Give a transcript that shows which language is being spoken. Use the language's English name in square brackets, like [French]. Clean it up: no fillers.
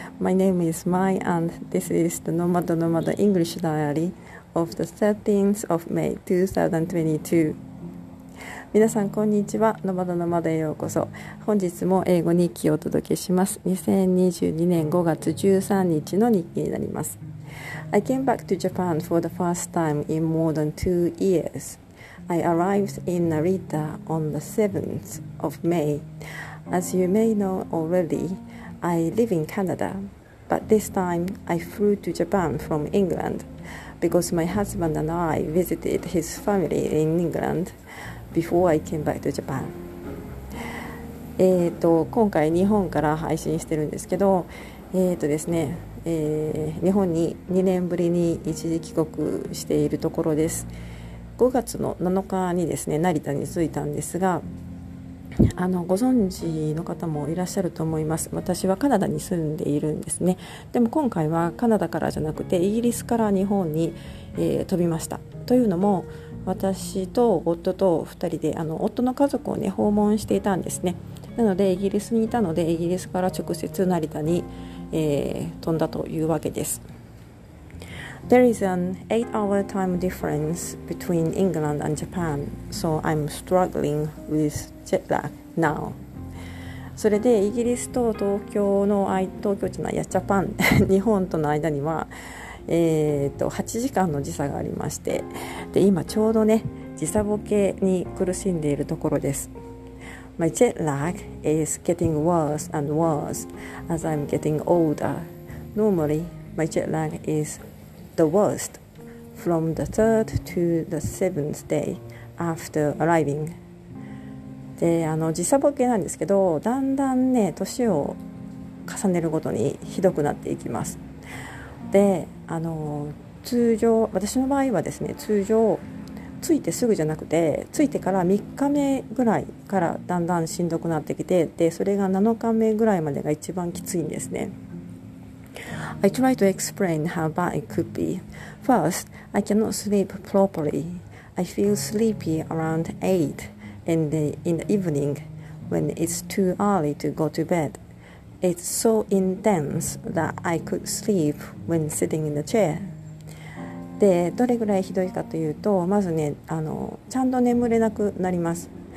[English] My name is Mai and this is the Nomad Nomad English Diary of the 13th of May 2022. [Japanese] 皆さんこんにちは、Nomad Nomadへようこそ。本日も英語日記をお届けします。2022年5月13日の日記になります。 [English] I came back to Japan for the first time in more than 2 years. I arrived in Narita on the 7th of May. As you may know already, I live in Canada, but this time I flew to Japan from England because my husband and I visited his family in England before I came back to Japan. [Japanese] 今回日本から配信してるんですけど、ですね、日本に2年ぶりに一時帰国しているところです。 5月の7日にですね、成田に着いたんですが、ご存知の方もいらっしゃると思います。私はカナダに住んでいるんですね。でも今回はカナダからじゃなくてイギリスから日本に、飛びました。というのも私と夫と2人で夫の家族を、ね、訪問していたんですね。なのでイギリスにいたのでイギリスから直接成田に、飛んだというわけです。 [English] There is an 8-hour time difference between England and Japan, so I'm struggling withNow. [Japanese] それでイギリスと東京の東京じゃないやジャパン日本との間には、8時間の時差がありまして、で今ちょうどね時差ボケに苦しんでいるところです。 [English] My jet lag is getting worse and worse as I'm getting older. Normally my jet lag is the worst from the 3rd to the 7th day after arriving [Japanese] で時差ボケなんですけど、だんだんね年を重ねるごとにひどくなっていきます。で通常私の場合はですね、通常着いてすぐじゃなくて着いてから3日目ぐらいからだんだんしんどくなってきて、でそれが7日目ぐらいまでが一番きついんですね。 [English] I try to explain how bad it could be. First, I cannot sleep properly. I feel sleepy around 8. In the evening, when it's too early to go to bed, it's so intense that I could sleep when sitting in the chair. [Japanese] で、どれぐらいひどいかというと、まずね、ちゃんと眠れなくなります。